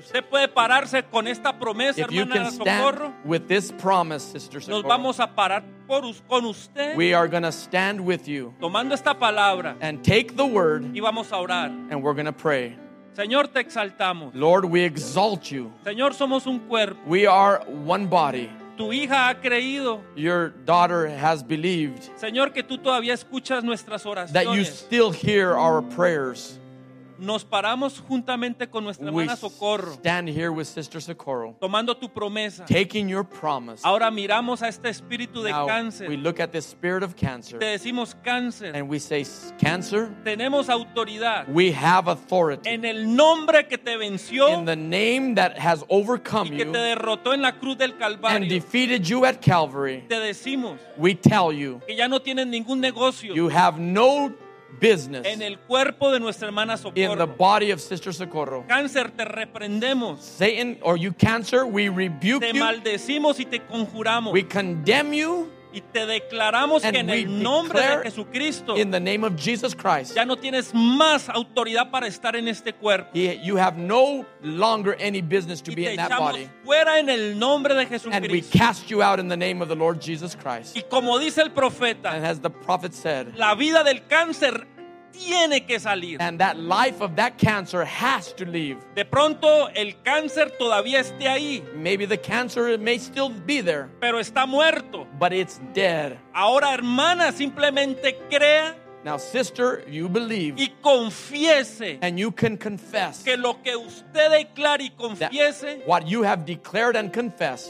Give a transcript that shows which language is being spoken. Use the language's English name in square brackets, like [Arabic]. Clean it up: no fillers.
[Spanish] Usted puede pararse con esta promesa, [English] if you can stand [Spanish] Socorro, [English] with this promise, Sister Socorro, [Spanish] nos vamos a parar con usted, [English] we are going to stand with you, [Spanish] tomando esta palabra, [English] and take the word, [Spanish] y vamos a orar, [English] and we're going to pray. [Spanish] Señor, te exaltamos. [English] Lord, we exalt you. [Spanish] Señor, somos un cuerpo. [English] We are one body. [Spanish] Tu hija ha creído. [English] Your daughter has believed. [Spanish] Señor, que tú todavía escuchas nuestras oraciones. [English] That you still hear our prayers. [Spanish] Nos paramos juntamente con nuestra hermana Socorro. [English] We stand here with Sister Socorro. [Spanish] Tomando tu promesa. [English] Taking your promise. [Spanish] Ahora miramos a este espíritu de cáncer. [English] We look at the spirit of cancer. [Spanish] Te decimos cáncer. [English] And we say cancer. [Spanish] Tenemos autoridad. [English] We have authority. [Spanish] En el nombre que te venció. [English] In the name that has overcome you. [Spanish] Y que te derrotó en la cruz del Calvario. [English] And defeated you at Calvary. [Spanish] Te decimos. [English] We tell you. [Spanish] Que ya no tienes ningún negocio. [English] You have no business. [Spanish] En el cuerpo de nuestra hermana Socorro. [English] In the body of Sister Socorro. [Spanish] Cáncer, te reprendemos. [English] Satan, or you cancer, we rebuke [Spanish] you. Te maldecimos y te conjuramos. [English] We condemn you. [Spanish] Y te declaramos [English] and [Spanish] que en el nombre de Jesucristo, [English] in the name of Jesus Christ, [Spanish] ya no tienes más autoridad para estar en este cuerpo. [English] You have no longer any business to [Spanish] y [English] be in that body. [Spanish] Y te echamos fuera en el nombre de Jesucristo. [English] And we cast you out in the name of the Lord Jesus Christ. [Spanish] Y como dice el profeta, [English] and as the prophet said, [Spanish] la vida del cáncer tiene que salir. [English] And that life of that cancer has to leave. [Spanish] De pronto el cáncer todavía esté ahí. [English] Maybe the cancer may still be there. [Spanish] Pero está muerto. [English] But it's dead. [Spanish] Ahora hermana, simplemente crea. [English] Now sister, you believe. [Spanish] Y confiese. [English] And you can confess. [Spanish] Que lo que usted declara y confiese, [English] what you have declared and confessed,